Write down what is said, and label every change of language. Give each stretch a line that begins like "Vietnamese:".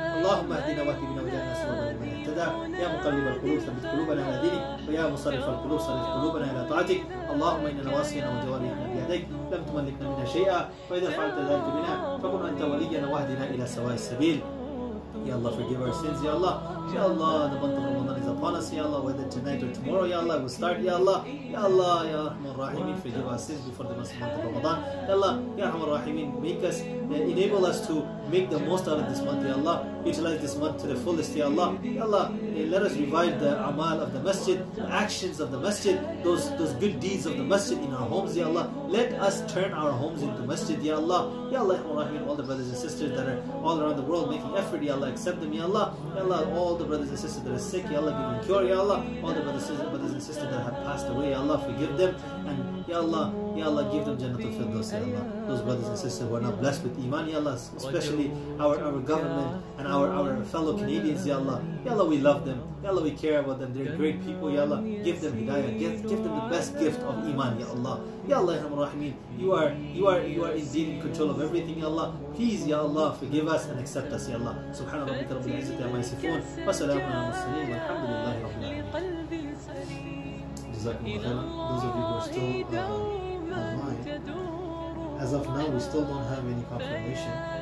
Arabic: اللهم اهدنا واهد بنا واجعلنا سببا لمن اهتدى. يا مقلب القلوب ثبت قلوبنا على دينك ويا مصرف القلوب صرف قلوبنا إلى طاعتك. اللهم إنا نواصينا وجوارحنا بيديك لم تملكنا منها شيئا وإذا فعلت ذلك بنا فكن أنت ولينا واهدنا إلى سواء السبيل.
English: Ya Allah, forgive our sins, Ya Allah. Ya Allah, the month of Ramadan is upon us, Ya Allah. Whether tonight or tomorrow, Ya Allah, we'll start, Ya Allah. Ya Allah, Ya Rahman Rahimin, forgive our sins before the month of Ramadan. Ya Allah, Ya Rahman Rahimin, make us, enable us to make the most out of this month, Ya Allah. Utilize this month to the fullest, Ya Allah. Ya Allah, let us revive the amal of the masjid, the actions of the masjid, those good deeds of the masjid in our homes, Ya Allah. Let us turn our homes into masjid, Ya Allah. Ya Allah, Ya Rahman Rahimin, all the brothers and sisters that are all around the world making effort, Ya Allah. Accept them, Ya Allah. Ya Allah, all the brothers and sisters that are sick, Ya Allah, give them cure, Ya Allah. All the brothers and sisters that have passed away, Ya Allah, forgive them. And Ya Allah, give them Jannah of Firdaus, Ya Allah. Those brothers and sisters who are not blessed with Iman, Ya Allah, especially our government and our fellow Canadians, Ya Allah. Ya Allah, we love them. Ya Allah, we care about them. They're great people, Ya Allah. Give them Hidayah. Give them the best gift of Iman, Ya Allah. Ya Allah, Ya Rahmin, you are indeed in control of everything, Ya Allah. Please, Ya Allah, forgive us and accept us, Ya Allah.
Arabic: Subhanallah. ربك رب العزة عما يصفون وسلام على المرسلين والحمد لله رب العالمين. جزاكم الله خيرا.
English: Those of you who are still online, as of now we still don't have any confirmation,